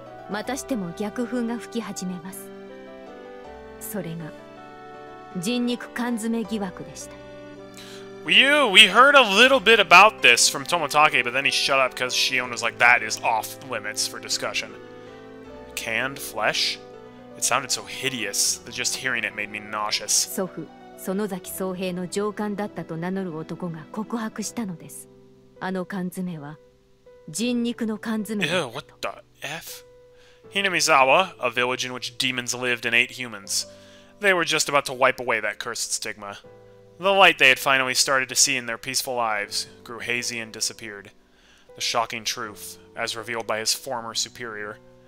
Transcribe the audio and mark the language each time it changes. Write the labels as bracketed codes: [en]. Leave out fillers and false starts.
[ja] またしても逆風が吹き始めます。それが人肉缶詰疑惑でした。 [en] We heard a little bit about this from Tomotake, but then he shut up because Shion was like, that is off limits for discussion. Canned flesh? It sounded so hideous that just hearing it made me nauseous. [ja] 祖父、園崎総平の上官だったと名乗る男が告白したのです。あの缶詰は人肉の缶詰だった。 [en] Ew, what the F? Hinamizawa, a village in which demons lived and ate humans. They were just about to wipe away that cursed stigma. The light they had finally started to see in their peaceful lives grew hazy and disappeared. The shocking truth, as revealed by his former superior.